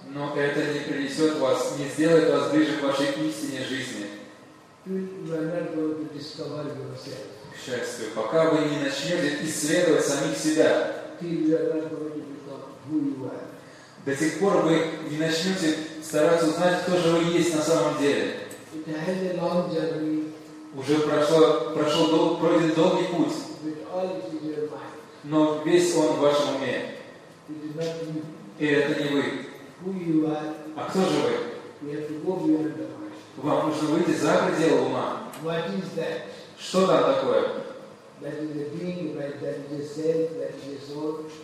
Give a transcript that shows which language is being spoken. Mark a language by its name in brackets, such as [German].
[Russian] Но это не принесет вас, не сделает вас ближе к вашей истине жизни. [English] You are not going to discover yourself. [Russian] К счастью, пока вы не начнете исследовать самих себя, [English] you are not going to become who you are. [Russian] До сих пор вы не начнете стараться узнать, кто же вы есть на самом деле. [English] It has a long journey. [Russian] Уже пройден долгий путь. [English] With all it is your mind. [Russian] Но весь он в вашем уме. [English] It is not you. [Russian] И это не вы. [English] Who you are. [Russian] А кто же вы? [English] You have to go beyond the mind. [Russian] Вам нужно выйти за пределы ума. [English] What is that? [Russian] Что там такое? [English] That is a being, right? That is a self, that is a soul.